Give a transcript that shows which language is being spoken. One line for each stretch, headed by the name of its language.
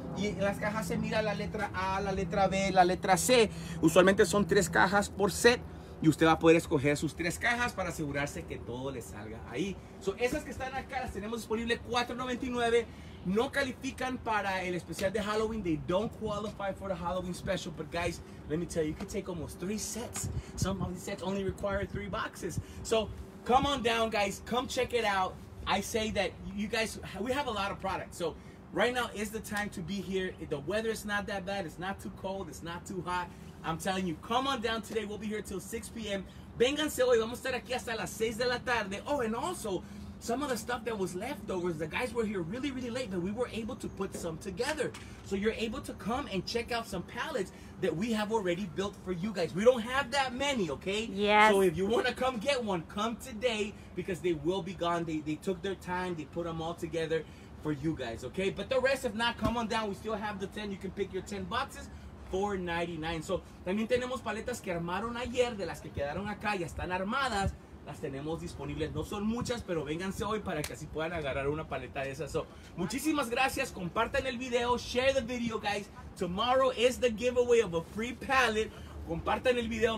Spanish: Y en las cajas se mira la letra A, la letra B, la letra C. Usualmente son 3 cajas por set. Y usted va a poder escoger sus 3 cajas para asegurarse que todo le salga ahí. So, esas que están acá las tenemos disponibles $4.99. No califican para el especial de Halloween.
English: They don't qualify for the Halloween special. But guys, let me tell you, you can take almost 3 sets. Some of these sets only require 3 boxes. So come on down, guys. Come check it out. I say that you guys, we have a lot of products. So right now is the time to be here. The weather is not that bad. It's not too cold. It's not too hot. I'm telling you, come on down today. We'll be here till 6 p.m.
Spanish: Vénganse hoy. Vamos a estar aquí hasta las 6 de la tarde.
English: Oh, and also, some of the stuff that was leftovers, the guys were here really, really late, but we were able to put some together. So you're able to come and check out some palettes that we have already built for you guys. We don't have that many, okay? Yeah. So if you want to come get one, come today, because they will be gone. They took their time. They put them all together for you guys, okay? But the rest, if not, come on down. We still have the 10. You can pick your 10 boxes. $4.99.
Spanish: So, también tenemos paletas que armaron ayer, de las que quedaron acá, ya están armadas, las tenemos disponibles. No son muchas, pero vénganse hoy para que así puedan agarrar una paleta de esas. So, muchísimas gracias. Compartan el video.
English: Share the video, guys. Tomorrow is the giveaway of a free palette.
Spanish: Compartan el video.